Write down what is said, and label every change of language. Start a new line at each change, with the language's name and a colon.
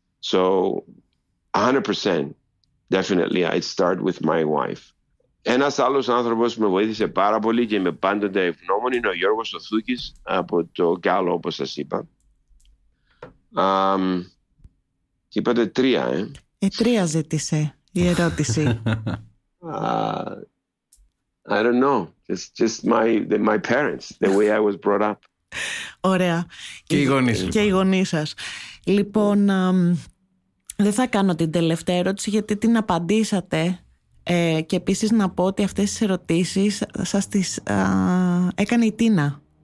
English: So, 100% definitely I'd start with my wife.
Greek: Ένας άλλος άνθρωπος που με βοήθησε πάρα πολύ και είμαι πάντοτε ευγνώμων είναι ο Γιώργος Οθούκης από το Γκάλο, όπως σας είπα. Είπατε τρία, ε. Τρία ζήτησε η ερώτηση.
English: I don't know. Just my parents, the way I was brought up.
Greek: Ωραία. Και οι γονείς σας. Και οι γονείς σας. Λοιπόν, δεν θα κάνω την τελευταία ερώτηση γιατί την απαντήσατε. Και επίσης να πω ότι αυτές τις ερωτήσεις σας τις έκανε η Τίνα.